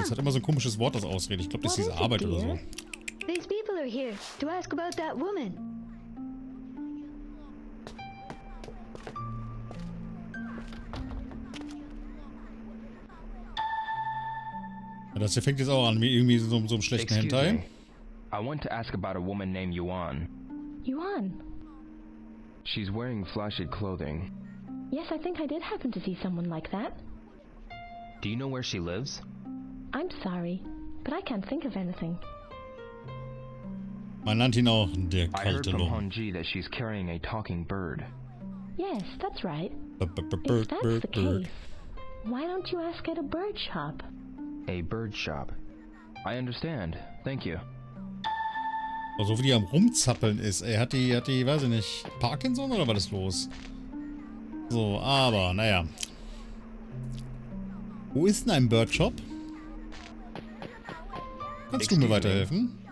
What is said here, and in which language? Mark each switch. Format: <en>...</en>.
<de>Es hat immer so ein komisches Wort, das ausreden. Ich glaube, das ist diese Arbeit oder so.</de> <en>These people are here to ask about that woman.</en> <de>Das hier fängt jetzt auch an, irgendwie so einem schlechten Hentai.</de> <en>I want to ask about a woman named Yuan. Yuan? She's wearing flashy clothing. Yes, I think I did happen to see someone like that. Do you know where she lives? I'm sorry, but I can't think of anything.</en> <de>Man nannte ihn auch der kalte</de> <en>Lung. I heard from Hongji that she's carrying a talking bird. Yes, that's right. If that's the case, why don't you ask at a bird shop? A bird shop. I understand. Thank you.</en> <de>So wie die am Rumzappeln ist, ey, hat die, weiß ich nicht, Parkinson oder was ist los? So, aber, naja. Wo ist denn ein Birdshop? Kannst du mir weiterhelfen?</de>